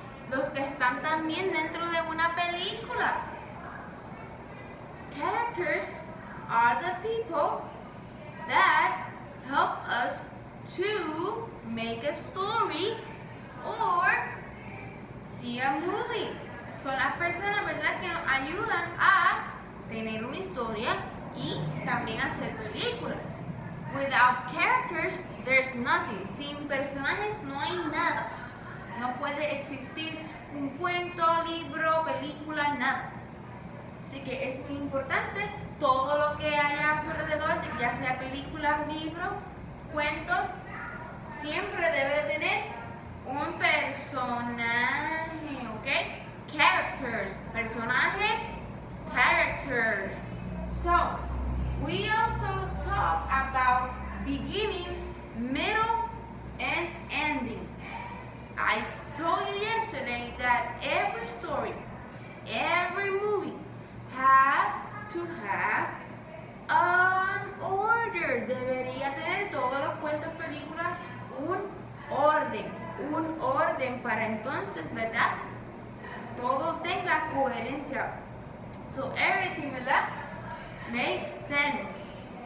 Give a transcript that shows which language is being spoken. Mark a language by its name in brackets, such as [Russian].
[Spanish] Los que están también dentro de una película. [English] Characters are the people that help us to make a story or see a movie. [Spanish] Son las personas, ¿verdad?, que nos ayudan a tener una historia y también hacer películas. [English] Without characters, there's nothing. [Spanish] Sin personajes, no hay nada. No puede existir un cuento, libro, película, nada. Así que es muy importante todo lo que haya a su alrededor, ya sea películas, libros, cuentos, siempre debe tener un personaje, ¿ok? [English] Characters, personaje, characters. So, we also talk about beginning, middle, and ending. I told you yesterday that every story, every movie have to have an order. [Spanish] Debería tener todos los cuentos, películas, un orden para entonces, ¿verdad? Todo tenga coherencia. [English] So everything, ¿verdad?, makes sense.